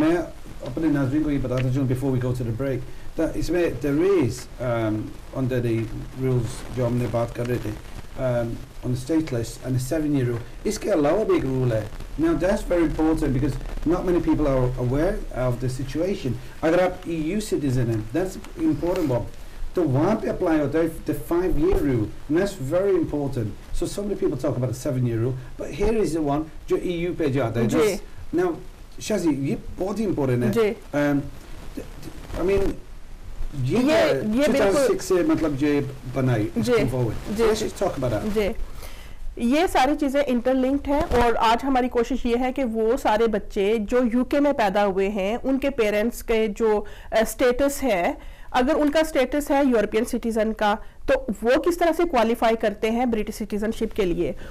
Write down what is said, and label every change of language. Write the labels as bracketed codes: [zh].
[hi] मैं अपने नाज़रीन को ये बता देता हूँ [en] before we go to the break that [hi] इसमें [en] there is under the rules [hi] जो हमने बात कर रहे थे [en] on the stateless and the 7-year rule, [hi] इसके अलावा भी एक रूल है. [en] Now that's very important because not many people are aware of the situation. [hi] अगर आप [en] EU citizen हैं, that's important one. [hi] तो वहाँ पे [en] apply होता है the 5-year rule and that's very important. So so many people talk about the 7-year rule, but here is the one [hi] जो EU पे जो आता है. जी. Now शाजी ये बहुत ही इम्पोर्टेंट है. [en] I mean, [hi] ये 2006 से मतलब जो बनाई [en] talk about that. [hi] ये सारी चीजें इंटरलिंक्ड हैं और आज हमारी कोशिश ये है कि वो सारे बच्चे जो यूके में पैदा हुए हैं उनके पेरेंट्स के जो स्टेटस है, अगर उनका स्टेटस है यूरोपियन सिटीजन का तो वो किस तरह से क्वालिफाई करते हैं ब्रिटिश सिटीजनशिप के लिए.